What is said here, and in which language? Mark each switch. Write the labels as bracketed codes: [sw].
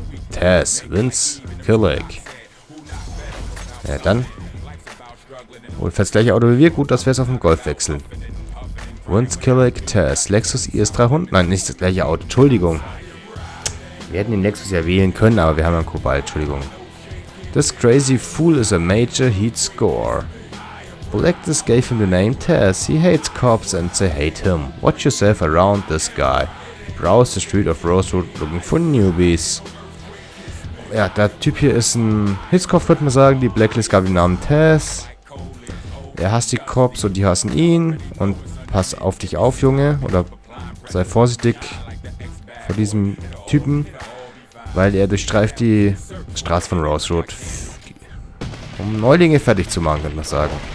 [de] Tess, Vince, Killick. Ja, dann. Wohl fährt das gleiche Auto wie wir. Gut, dass wir es auf dem Golf wechseln. Once Killick Test. Lexus IS300. Nein, nicht das gleiche Auto. Entschuldigung. Wir hätten den Lexus ja wählen können, aber wir haben ja einen Kobalt. Entschuldigung. [en] This crazy fool is a major heat score. Blacklist gave him the name Tess. He hates cops and they hate him. Watch yourself around this guy. He browsed the street of Rosewood looking for newbies. [de] Ja, der Typ hier ist ein Hitzkopf, würde man sagen. Die Blacklist gab ihm den Namen Tess. Er hasst die Cops und die hassen ihn. Und pass auf dich auf, Junge. Oder sei vorsichtig vor diesem Typen. Weil er durchstreift die Straße von Rosewood. Um Neulinge fertig zu machen, könnte man sagen.